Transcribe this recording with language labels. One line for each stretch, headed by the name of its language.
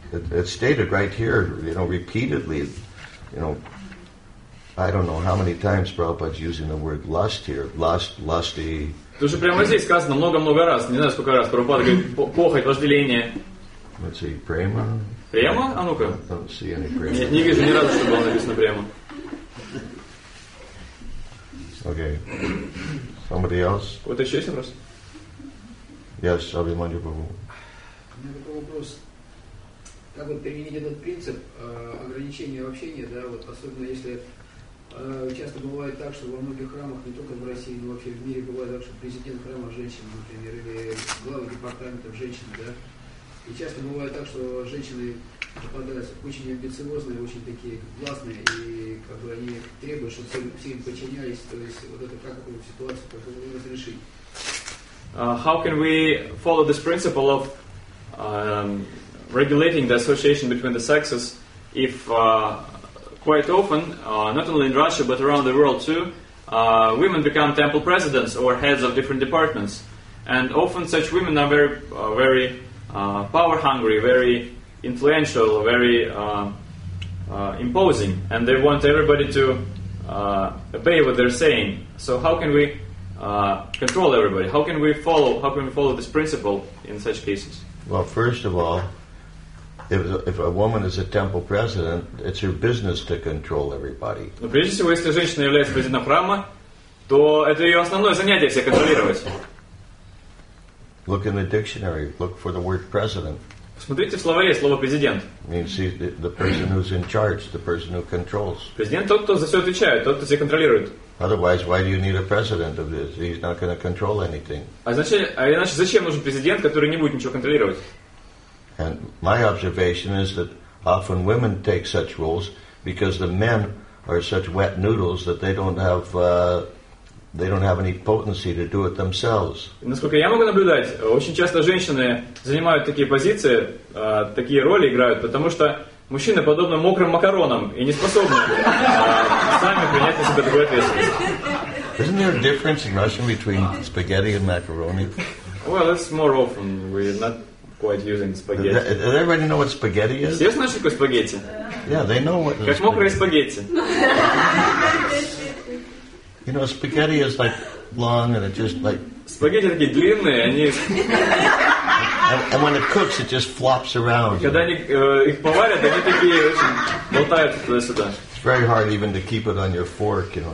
English: It's stated right here, you know, repeatedly, you know, I don't know how many times Prabhupada's using the word lust here. Lust, lusty.
Russian: То же прямо здесь сказано много-много раз. Не знаю, сколько раз Прабхупада говорит похоть, вожделение.
English: Let's see, prema?
Russian: Prema? А ну-ка.
English: I don't see any prema.
Russian: Нет, не вижу ни разу, что было написано prema.
English: Okay. Somebody else?
Russian: Вот еще есть вопрос?
English: Yes, Abhimanyu Prabhu.
Russian: У меня такой вопрос. Как вот применить этот принцип ограничения в общении, да, вот особенно если часто бывает так, что во многих храмах, не только в России, но вообще в мире бывает так, что президент храма женщина, например, или глава департамента женщина, да. И часто бывает так, что женщины попадаются очень амбициозные, очень такие властные, и как бы они требуют, чтобы все им подчинялись. То есть вот это как эту ситуацию, как его разрешить?
English: How can we follow this principle of regulating the association between the sexes if quite often, not only in Russia but around the world too, women become temple presidents or heads of different departments, and often such women are very, very power hungry, very influential, very imposing, and they want everybody to obey what they're saying. So how can we control everybody? How can we follow? How can we follow this principle in such cases? Well, first of all, If a woman is a temple president, it's her business to control everybody.
Russian: Но прежде всего, если женщина является президентом храма, то это ее основное занятие, все контролировать.
English: Look in the dictionary. Look for the word president.
Russian: Посмотрите в словаре слово президент.
English: Means the person who's in charge, the person who controls.
Russian: Президент тот, кто за все отвечает, тот, кто все контролирует.
English: Otherwise, why do you need a president of this? He's not going to control anything.
Russian: А иначе зачем нужен президент, который не будет ничего контролировать?
English: And my observation is that often women take such roles because the men are such wet noodles that they don't have any potency to do it themselves.
Russian: Насколько я могу наблюдать, очень часто женщины занимают такие позиции, такие роли играют, потому что мужчины подобны мокрым макаронам и не способны сами принять на себя такую ответственность.
English: Isn't there a difference in Russian between spaghetti and macaroni? Well, that's more often. We're not quite using spaghetti. Does everybody know what spaghetti is?
Russian: Все знают, что такое спагетти.
English: Yeah, they know what.
Russian: Как мокрые спагетти.
English: You know, spaghetti is like long and it just like.
Russian: Спагетти такие длинные, они.
English: And when it cooks, it just flops around.
Russian: Когда они их поварят, они такие очень болтают туда-сюда.
English: It's very hard even to keep it on your fork, you know.